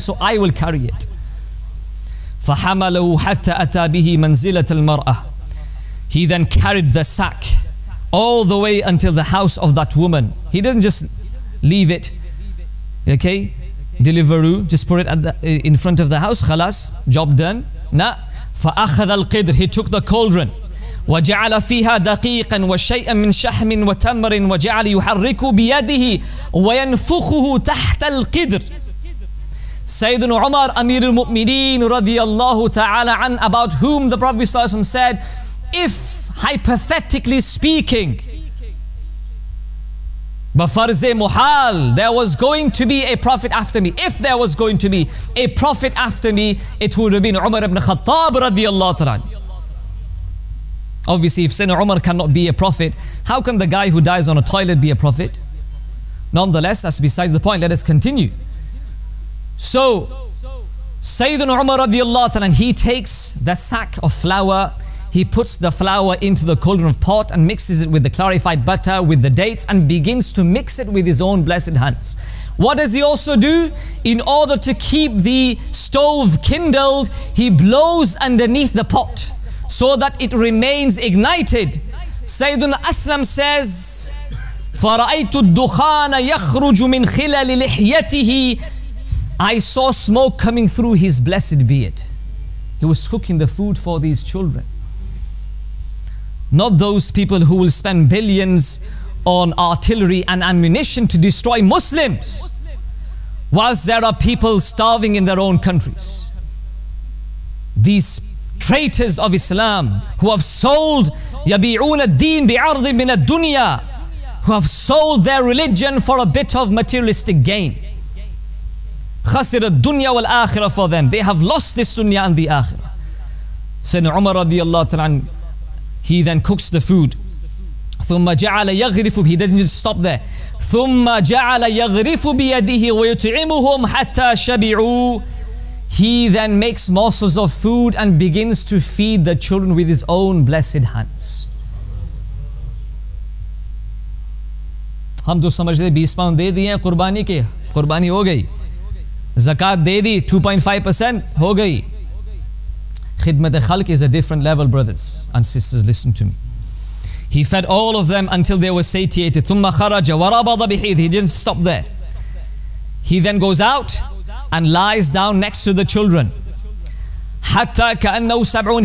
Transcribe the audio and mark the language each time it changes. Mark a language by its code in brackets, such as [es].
[en] So I will carry it. [ar] فَحَمَلَهُ حَتَّى أَتَى بِهِ مَنْزِلَةَ الْمَرْأَةِ. [en] He then carried the sack all the way until the house of that woman. He didn't just leave it. Okay? Deliveroo. Just put it in front of the house. [ar] خلاص. [en] Job done. Nah. [ar] فأخذ القدر. [en] He took the cauldron. [ar] وجعل فيها دقيقا وشيئا من شحم وتمر وجعل يحرك بيده وينفخه تحت القدر. سيدنا عمر أمير المؤمنين رضي الله تعالى عن, [en] about whom the Prophet [ar] صلى الله عليه وسلم [en] said, if hypothetically speaking, [ar] بفرز محال, [en] there was going to be a prophet after me, if there was going to be a prophet after me, it would have been Umar ibn Khattab radiyallahu ta'ala. Obviously, if Sayyidina Umar cannot be a prophet, how can the guy who dies on a toilet be a prophet? Nonetheless, that's besides the point. Let us continue. So Sayyidina Umar radiyallahu ta'ala, he takes the sack of flour. He puts the flour into the cauldron of pot and mixes it with the clarified butter, with the dates, and begins to mix it with his own blessed hands. What does he also do? In order to keep the stove kindled, he blows underneath the pot so that it remains ignited. Sayyidun Aslam says, [ar] فَرَأَيْتُ الدُّخَانَ يَخْرُجُ مِنْ خِلَلِ لِحْيَتِهِ. [en] I saw smoke coming through his blessed beard. He was cooking the food for these children. Not those people who will spend billions on artillery and ammunition to destroy Muslims whilst there are people starving in their own countries. These traitors of Islam who have sold [ar] يَبِعُونَ الدِّينَ بِعَرْضٍ مِنَ الدُّنْيَا, [en] who have sold their religion for a bit of materialistic gain. [ar] خَسِرَ الدُّنْيَا وَالْآخِرَةَ [en] for them. They have lost this dunya and the akhirah. Sayyidina Umar radiallahu ta'ala, he then cooks the food. [ar] ثُمَّ جَعَلَ يَغْرِفُ. [en] He doesn't just stop there. [ar] ثُمَّ جَعَلَ يَغْرِفُ بِيَدِهِ وَيُطْعِمُهُمْ حَتَّى شَبِعُوا. [en] He then makes morsels of food and begins to feed the children with his own blessed hands. [ur] ہم تو سمجھ دے 20 pound دے دی ہیں قربانی کے, قربانی ہو گئی, زکاة دے دی 2.5% ہو گئی. [en] Khidmat al-Khalq is a different level, brothers and sisters, listen to me. He fed all of them until they were satiated. [ar] ثُمَّ خَرَجَ وَرَبَضَ بِحِيدِ. [en] He didn't stop there. He then goes out and lies down next to the children. [ar] حَتَّى كَأَنَّهُ سَبْعُونَ.